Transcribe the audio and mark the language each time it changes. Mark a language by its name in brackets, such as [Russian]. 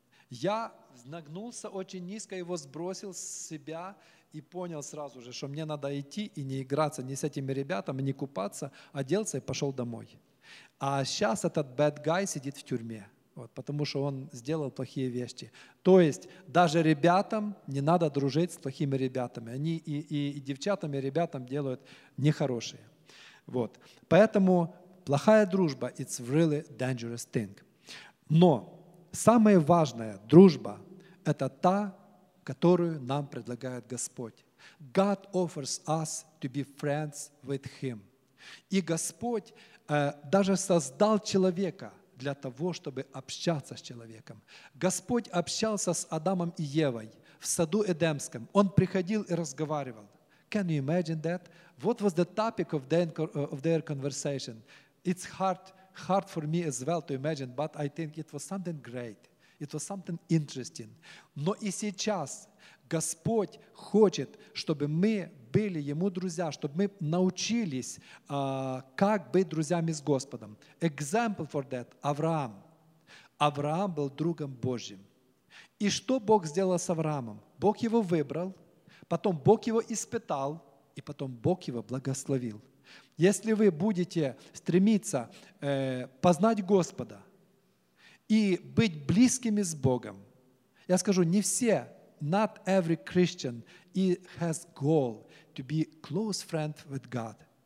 [Russian] Я нагнулся очень низко, его сбросил с себя и понял сразу же, что мне надо идти и не играться ни с этими ребятами, ни купаться, оделся и пошел домой. А сейчас этот bad guy сидит в тюрьме, вот, потому что он сделал плохие вещи. То есть даже ребятам не надо дружить с плохими ребятами. Они и девчатам, и ребятам делают нехорошие. Вот. Поэтому плохая дружба – [English] it's really dangerous thing. [Russian] Но самая важная дружба – это та, которую нам предлагает Господь. [English] God offers us to be friends with Him. [Russian] И Господь даже создал человека для того, чтобы общаться с человеком. Господь общался с Адамом и Евой в саду Эдемском. Он приходил и разговаривал. [English] Can you imagine that? What was the topic of their conversation? It's hard for me as well to imagine, but I think it was something great. It was something interesting. [Russian] Но и сейчас Господь хочет, чтобы мы были Ему друзья, чтобы мы научились, как быть друзьями с Господом. [English] Example for that – Авраам. [Russian] Авраам был другом Божьим. И что Бог сделал с Авраамом? Бог его выбрал, потом Бог его испытал, и потом Бог его благословил. Если вы будете стремиться познать Господа и быть близкими с Богом, я скажу, не все, [English] not every Christian has goal to be close friend with God.